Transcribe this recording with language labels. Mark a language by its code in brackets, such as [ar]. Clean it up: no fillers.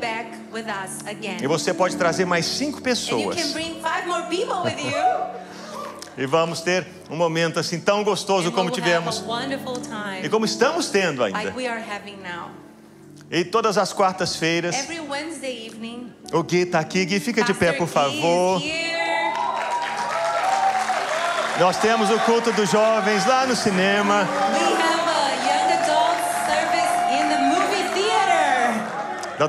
[en] You are invited to come back with us again. [pt] E você pode trazer mais 5 pessoas. [en] And you can bring 5 more people with you. [pt] E vamos ter um momento assim tão gostoso [en] and [pt] como tivemos. [en] We'll have a wonderful time, [pt] e como estamos tendo ainda. [en] Like we are having now. [pt] E todas as quartas-feiras, [en] every Wednesday evening, [pt] o Gui está aqui. Gui, fica Pastor de pé, por favor. Nós temos o culto dos jovens lá no cinema. [en] We have a young adult service in the movie theater.